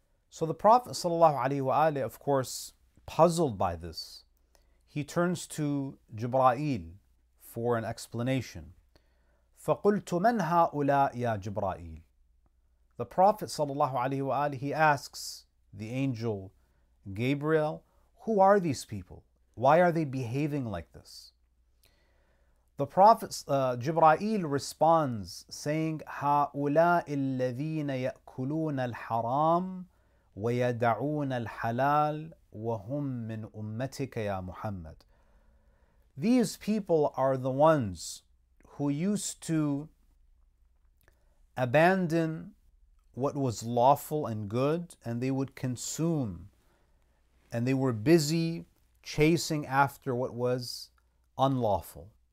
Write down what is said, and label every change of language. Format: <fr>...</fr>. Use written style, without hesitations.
<en>So the Prophet sallallahu alaihi wa alihi, of course, puzzled by this, he turns to Jibra'il for an explanation.</en> <ar>فَقُلْتُ مَنْ هَؤُلَاءَ يَا جِبْرَائِيلِ.</ar> <en>The Prophet sallallahu alaihi wa alihi, he asks the angel Gabriel, who are these people? Why are they behaving like this? The Prophet Jibra'il responds saying,</en> <ar>هَؤُلَاءِ الَّذِينَ يَأْكُلُونَ الْحَرَامِ وَيَدَعُونَ الْحَلَالِ وَهُمْ مِنْ أُمَّتِكَ يَا مُحَمَّدٍ.</ar> <en>These people are the ones who used to abandon what was lawful and good, and they would consume, and they were busy chasing after what was unlawful.</en>